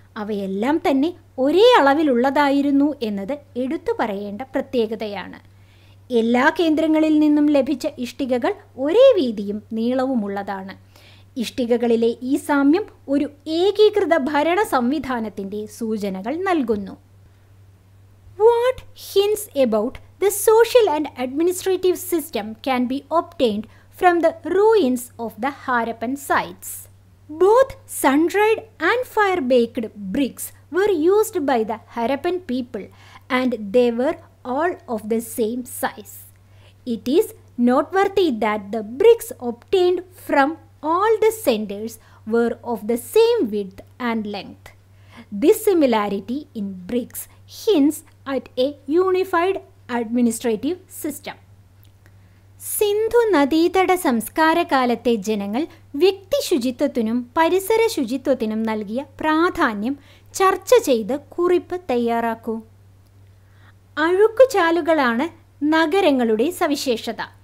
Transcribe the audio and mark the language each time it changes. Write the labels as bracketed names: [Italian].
[Malayalam] അവയെല്ലാം തന്നെ ഒരേ അളവിലുള്ളതായിരുന്നു എന്നത് എടുത്തു പറയേണ്ട പ്രത്യേകതയാണ്. എല്ലാ കേന്ദ്രങ്ങളിൽ നിന്നും ലഭിച്ച ഇഷ്ടികകൾ ഒരേ വീതിയും നീളവുമുള്ളതാണ്. ഇഷ്ടികകളിലെ ഈ സാമ്യം ഒരു ഏകീകൃത ഭരണ സംവിധാനത്തിൻ്റെ സൂചനകൾ നൽകുന്നു. What [English] hints about the social and administrative system can be obtained from the ruins of the Harappan sites. Both sun-dried and fire-baked bricks were used by the Harappan people, and they were all of the same size. It is noteworthy that the bricks obtained from all the centers were of the same width and length. This similarity in bricks hints at a unified administrative system. [Malayalam] Sindhu നദീതട സംസ്കാരകാലത്തെ ജനങ്ങൾ വ്യക്തിശുചിത്വത്തിനും പരിസര ശുചിത്വത്തിനും നൽകിയ പ്രാധാന്യം ചർച്ച ചെയ്ത് കുറിപ്പ് തയ്യാറാക്കൂ. അഴുക്കുചാലുകളാണ് നഗരങ്ങളുടെ സവിശേഷത.